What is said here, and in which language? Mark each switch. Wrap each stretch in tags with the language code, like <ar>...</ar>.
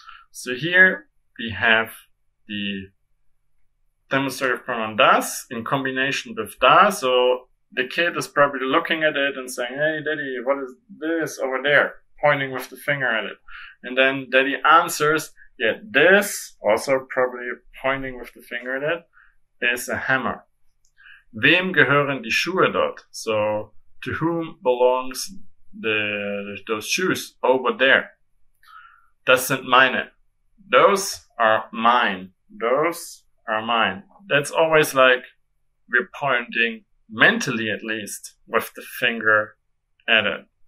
<en>So here we have the demonstrative pronoun das in combination with da. So the kid is probably looking at it and saying, hey, Daddy, what is this over there? Pointing with the finger at it. And then Daddy answers, yeah, this, also probably pointing with the finger at it, is a hammer.</en> <de>Wem gehören die Schuhe dort?</de> <en>So to whom belongs those shoes over there?</en> <de>Das sind meine.</de> <en>Those are mine. Those are mine. That's always like we're pointing mentally, at least, with the finger at it.</en>